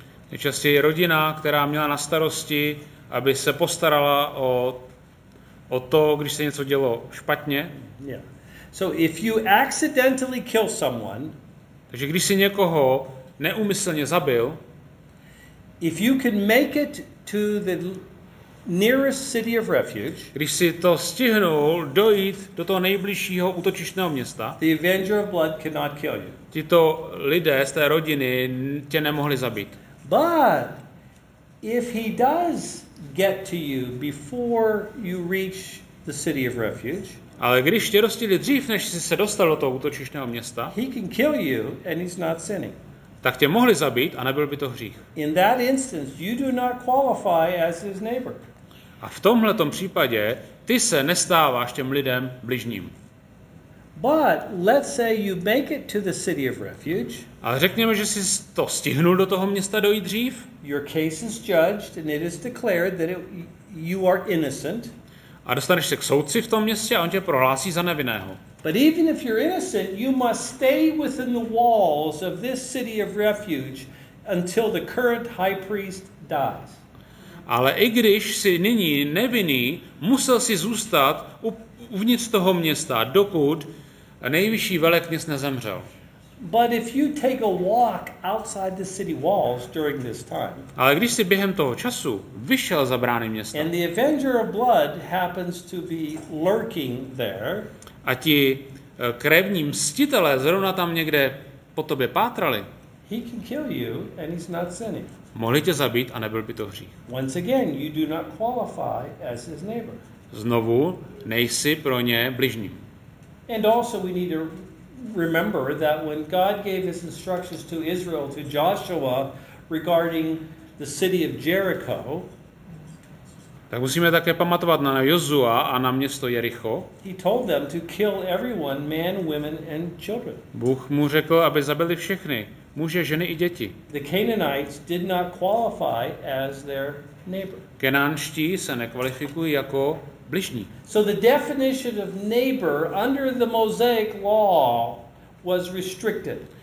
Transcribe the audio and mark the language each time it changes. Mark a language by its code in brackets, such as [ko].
[cs] Nejčastěji rodina, která měla na starosti, aby se postarala o to, když se něco dělo špatně. [en] Yeah. So if you accidentally kill someone, [cs] takže když si někoho neúmyslně zabil, [en] if you can make it to the nearest city of refuge. [cs] Když si to stihnul dojít do toho nejbližšího útočištného města. [en] The Avenger of Blood cannot kill you. [cs] Tito lidé z té rodiny tě nemohli zabít. [en] But if he does get to you before you reach the city of refuge. [cs] Ale když tě dostihli dřív, než jsi se dostal do toho útočištného města. [en] He can kill you and he's not sinning. [cs] Tak tě mohli zabít a nebyl by to hřích. [en] In that instance, you do not qualify as his neighbor. [cs] A v tomhletom případě ty se nestáváš těm lidem bližním. [en] But let's say you make it to the city of refuge. [cs] A řekněme, že jsi to stihnul do toho města dojít dřív. [en] Your case is judged and it is declared that you are innocent. [cs] A dostaneš se k soudci v tom městě a on tě prohlásí za nevinného. [en] But even if you're innocent, you must stay within the walls of this city of refuge until the current high priest dies. [cs] Ale i když jsi nyní nevinný, musel jsi zůstat uvnitř toho města, dokud nejvyšší velekněz nezemřel. [en] But if you take a walk outside the city walls during this time. [cs] Ale když si během toho času vyšel za brány města. [en] And the Avenger of Blood happens to be lurking there. [cs] A ti krevní mstitelé zrovna tam někde po tobě pátrali. [en] He can kill you and he's not sinning. [cs] Mohli tě zabít a nebyl by to hřích. [en] Once again, you do not qualify as his neighbor. [cs] Znovu nejsi pro ně bližním. [en] And also we need to remember that when God gave his instructions to Israel, to Joshua, regarding the city of Jericho. [cs] Tak musíme také pamatovat na Josua a na město Jericho. [en] He told them to kill everyone, man, women and children. [cs] Bůh mu řekl, aby zabili všechny, muže, ženy i děti. [en] The Canaanites did not qualify as their neighbor. [cs] Kenánští se nekvalifikují jako bližní. [en] So the definition of neighbor under the Mosaic law was restricted.